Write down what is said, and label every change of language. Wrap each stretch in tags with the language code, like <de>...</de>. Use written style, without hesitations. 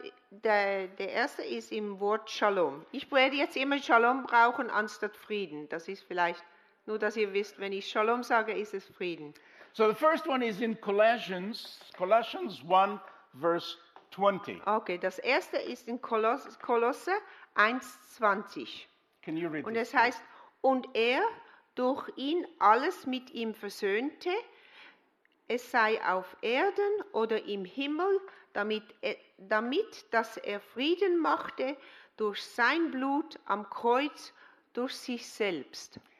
<de>Der erste ist im Wort Shalom. Ich werde jetzt immer Shalom brauchen anstatt Frieden. Das ist vielleicht nur, dass ihr wisst, wenn ich Shalom sage, ist es Frieden.</de> <en>So the first one is in Colossians 1, verse 20.</en> <de>Okay, das erste ist in Kolosse 1, 20.</de> <en>Can you read</en> <de>und es heißt, und er durch ihn alles mit ihm versöhnte, es sei auf Erden oder im Himmel, damit dass er Frieden machte durch sein Blut am Kreuz durch sich selbst.</de>